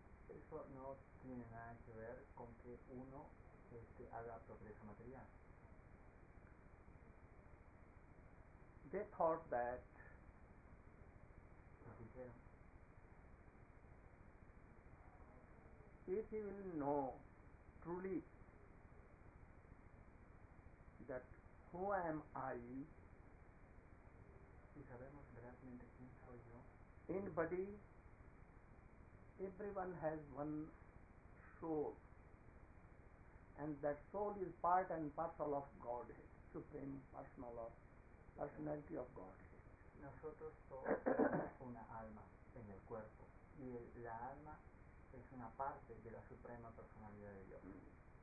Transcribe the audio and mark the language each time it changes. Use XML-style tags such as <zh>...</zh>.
<es>Eso no tiene nada que ver con que uno haga progreso material.</es> <en>They thought that if you will know truly that who am I,</en> <es>si sabemos realmente quién soy yo,</es> <en>in body everyone has one soul and that soul is part and parcel of Godhead, supreme personal of personality of God.</en> <es>Nosotros todos tenemos una alma en el cuerpo y la alma es una parte de la suprema personalidad de Dios.</es>